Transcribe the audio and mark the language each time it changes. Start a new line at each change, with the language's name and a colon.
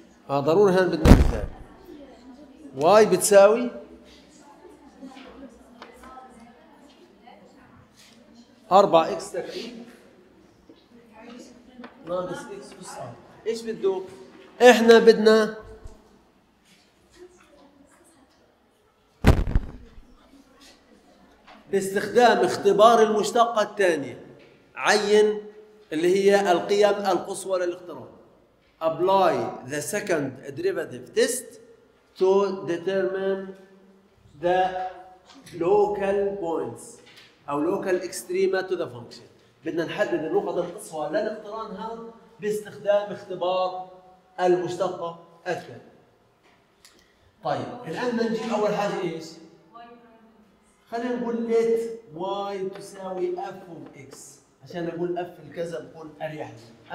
Arabic: ضروري هان بدنا مثال واي بتساوي أربعة إكس تكعيب ناقص إكس أس. إيش بده؟ إحنا بدنا باستخدام اختبار المشتقة الثانية عين اللي هي القيم القصوى للاقتران.
English: Apply the second derivative test to determine the local points. أو local extrema to the function.
Arabic: بدنا نحدد النقط القصوى للاقتران هذا باستخدام اختبار المشتقة الثانية. طيب الآن بدنا نجيب أول حاجة إيش؟ خلينا نقول
English: let y
Arabic: تساوي f of x عشان نقول f الكذا بكون أريح لي.